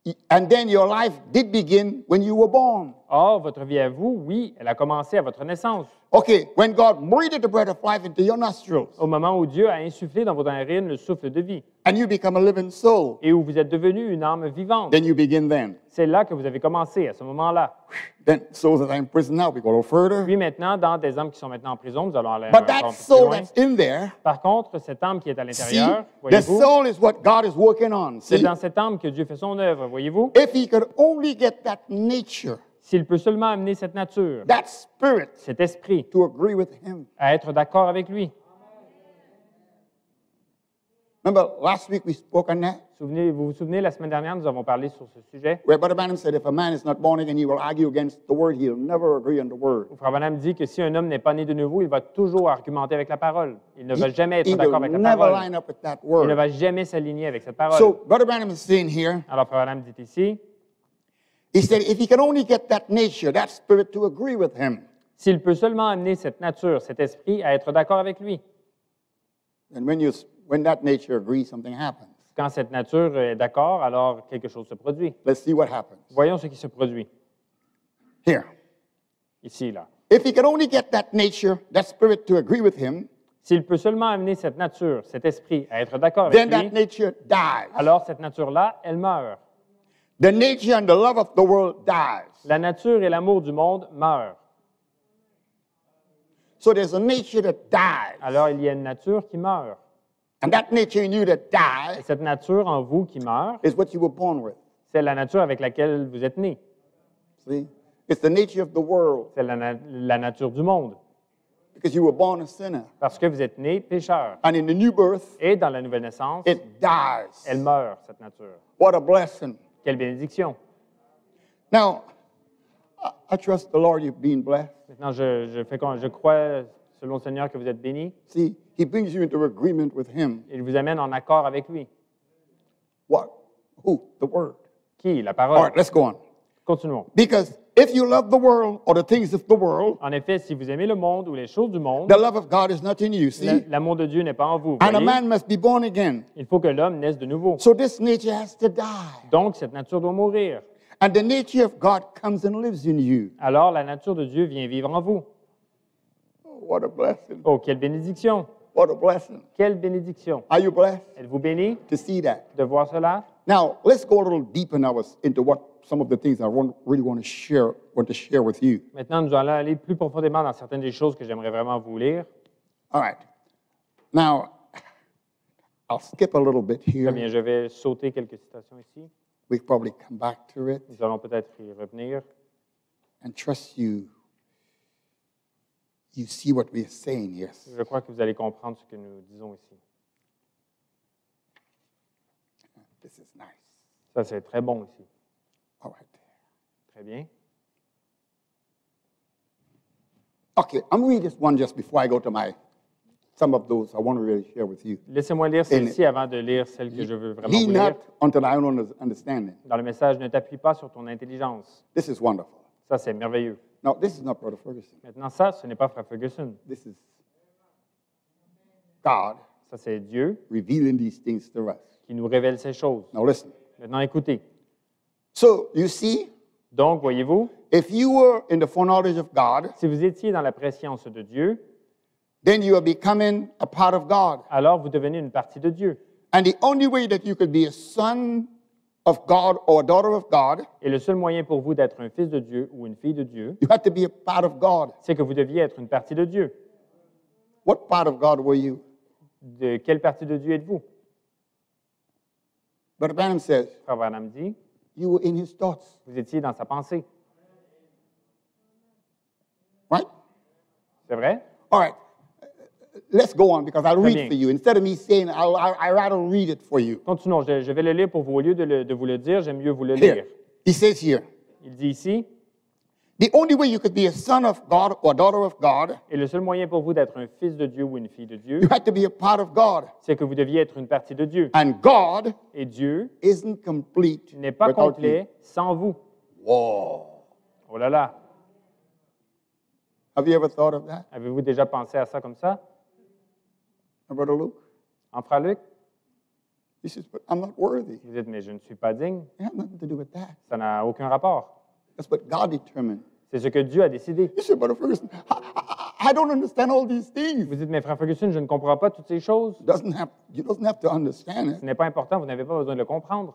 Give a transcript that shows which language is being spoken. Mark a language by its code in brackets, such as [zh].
[en] And then your life did begin when you were born. [fr] Or, votre vie à vous, oui, elle a commencé à votre naissance. [en] Okay, when God breathed the breath of life into your nostrils. [fr] Au moment où Dieu a insufflé dans vos narines le souffle de vie. [en] And you become a living soul. [fr] Et où vous êtes devenu une âme vivante. [en] Then you begin then. [fr] C'est là que vous avez commencé, à ce moment-là. [en] Then, souls that are in prison now, we go a little further. [fr] Puis maintenant, dans des âmes qui sont maintenant en prison, nous allons aller [en] but that soul that's in there. [fr] Par contre, cette âme qui est à l'intérieur, [en] see, [fr] voyez-vous? [en] The soul is what God is working on. See? [fr] C'est dans cette âme que Dieu fait son œuvre, voyez-vous? [en] If he could only get that nature. [fr] S'il peut seulement amener cette nature, [en] that spirit, [fr] cet esprit, [en] to agree with him. [fr] À être d'accord avec lui. [en] Remember, last week we spoke on that. [fr] Vous vous souvenez, la semaine dernière, nous avons parlé sur ce sujet. [en] Where Brother Branham said, if a man is not born again, he will argue against the word. He'll never agree on the word. [fr] Frère Branham dit que si un homme n'est pas né de nouveau, il va toujours argumenter avec la parole. Il ne va jamais être d'accord avec la [en] never [fr] parole. [en] Line up with that word. [fr] Il ne va jamais s'aligner avec cette parole. [en] So Brother Branham is saying here. [fr] Alors Frère Branham dit ici. [en] He said, if he can only get that nature, that spirit to agree with him. [fr] S'il peut seulement amener cette nature, cet esprit, à être d'accord avec lui. [en] And when that nature agrees, something happens. [fr] Quand cette nature est d'accord, alors quelque chose se produit. [en] Let's see what happens. [fr] Voyons ce qui se produit. [en] Here. [fr] Ici, là. [en] If he can only get that nature, that spirit to agree with him. [fr] S'il peut seulement amener cette nature, cet esprit, à être d'accord [en] then [fr] avec lui. [en] Then that nature dies. [fr] Alors cette nature-là, elle meurt. [en] The nature and the love of the world dies. [fr] La nature et l'amour du monde meurent. [en] So there's a nature that dies. [fr] Alors il y a une nature qui meurt. [en] And that nature in you that dies. [fr] Et cette nature en vous qui meurt. [en] Is what you were born with. [fr] C'est la nature avec laquelle vous êtes né. [en] See? It's the nature of the world. [fr] C'est la nature du monde. [en] Because you were born a sinner. [fr] Parce que vous êtes né pécheur. [en] And in the new birth. [fr] Et dans la nouvelle naissance. [en] It dies. [fr] Elle meurt cette nature. [en] What a blessing. [fr] Quelle bénédiction. [en] Now, I trust the Lord you've been blessed. [fr] Maintenant, je crois selon le Seigneur que vous êtes béni. [en] See, he brings you into agreement with him. [fr] Il vous amène en accord avec lui. [en] What? Who? The word. [fr] Qui? La parole. [en] All right, let's go on. [fr] Continuons. [en] Because if you love the world or the things of the world, [fr] en effet, si vous aimez le monde ou les choses du monde, [en] the love of God is not in you. See, [fr] l'amour de Dieu n'est pas en vous. [en] And a man must be born again. [fr] Il faut que l'homme naisse de nouveau. [en] So this nature has to die. [fr] Donc cette nature doit mourir. [en] And the nature of God comes and lives in you. [fr] Alors la nature de Dieu vient vivre en vous. [en] Oh, what a blessing! [fr] Oh, quelle bénédiction! [en] What a blessing! [fr] Quelle bénédiction! [en] Are you blessed? [fr] Êtes-vous béni? [en] To see that. [fr] De voir cela. [en] Now let's go a little deeper now into what some of the things I really want to share with you. [fr] Maintenant, nous allons aller plus profondément dans certaines des choses que j'aimerais vraiment vous lire. [en] All right. Now, I'll skip a little bit here. [fr] Très bien, je vais sauter quelques citations ici. [en] We'll probably come back to it. [fr] Nous allons peut-être y revenir. [en] And trust you. You see what we are saying, yes. [fr] Je crois que vous allez comprendre ce que nous disons ici. [en] This is nice. [fr] Ça, c'est très bon ici. [en] All right. [fr] Très bien. [en] Okay, I'm reading this one just before I go to my some of those I want to really share with you. [fr] Laissez-moi lire celle-ci avant de lire celle que je veux vraiment vous lire. [en] Lean not on thy own understanding. [fr] Dans le message, ne t'appuie pas sur ton intelligence. [en] This is wonderful. [fr] Ça c'est merveilleux. [en] Now, this is not Brother Ferguson. [fr] Maintenant ça, ce n'est pas Frère Ferguson. [en] This is God. [fr] Ça c'est Dieu. [en] Revealing these things to us. [fr] Qui nous révèle ces choses. [en] Now listen. [fr] Maintenant écoutez. [en] So, you see, [fr] donc, voyez-vous, [en] if you were in the foreknowledge of God, [fr] si vous étiez dans la prescience de Dieu, [en] then you are becoming a part of God. [fr] Alors, vous devenez une partie de Dieu. [en] And the only way that you could be a son of God or a daughter of God, [fr] et le seul moyen pour vous d'être un fils de Dieu ou une fille de Dieu, [en] you had to be a part of God. [fr] C'est que vous deviez être une partie de Dieu. [en] What part of God were you? [fr] De quelle partie de Dieu êtes-vous? [en] But Branham says, [fr] Frère Branham dit, [en] you were in his thoughts. [fr] Vous étiez dans sa pensée. [en] Right? [fr] C'est vrai? [en] All right. Let's go on because I'll read for you. Instead of me saying, I'd rather read it for you. [fr] Continuons. Je vais le lire pour vous. Au lieu de vous le dire, j'aime mieux vous le lire. [en] He says here. [fr] Il dit ici. [en] The only way you could be a son of God or a daughter of God. [fr] Et le seul moyen pour vous d'être un fils de Dieu ou une fille de Dieu. [en] You had to be a part of God. [fr] C'est que vous deviez être une partie de Dieu. [en] And God. [fr] Et Dieu. [en] Isn't complete. [fr] N'est pas complet sans vous. [en] Wow. [fr] Oh là là. [en] Have you ever thought of that? [fr] Avez-vous déjà pensé à ça comme ça? [en] Brother Luke. [fr] En frère Luc. [en] He says, but I'm not worthy. [fr] Vous dites, mais je ne suis pas digne. [en] It has nothing to do with that. [fr] Ça n'a aucun rapport. [en] That's what God determined. [fr] C'est ce que Dieu a décidé. [en] You say, Brother Ferguson, I don't understand all these things. [fr] Vous dites, mais Frère Ferguson, je ne comprends pas toutes ces choses. [en] You doesn't have to understand it. [fr] Ce n'est pas important, vous n'avez pas besoin de le comprendre.